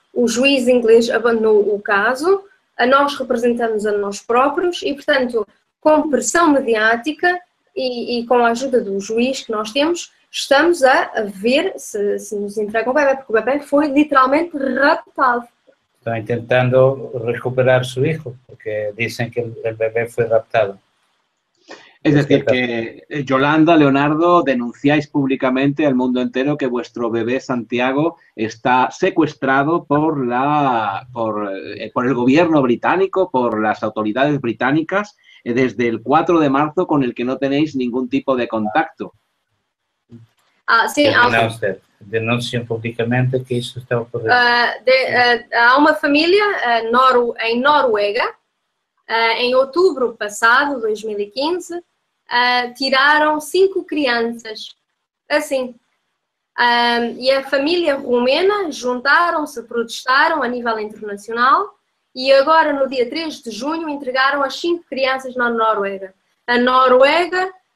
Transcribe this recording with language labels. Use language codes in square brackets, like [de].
[pt] O juiz inglês abandonou o caso. Nós representamos a nós próprios e, portanto, com pressão mediática e com a ajuda do juiz que nós temos, estamos a ver se nos entregam o bebê, porque o bebê foi literalmente raptado. Estão tentando recuperar o seu filho, porque dizem que o bebê foi raptado. É dizer, [es] que Yolanda, Leonardo, denunciais publicamente ao mundo inteiro que vuestro bebé Santiago está secuestrado por el gobierno británico, por las autoridades británicas, desde el 4 de marzo, con el que no tenéis ningún tipo de contacto. [pt] Sim, [es] denuncia públicamente [pt] que isso está ocorrendo. Há uma família em Noruega, em outubro passado, 2015, tiraram 5 crianças, assim, e a família romena juntaram-se, protestaram a nível internacional e agora no dia 3 de junho entregaram as 5 crianças na Noruega. A Noruega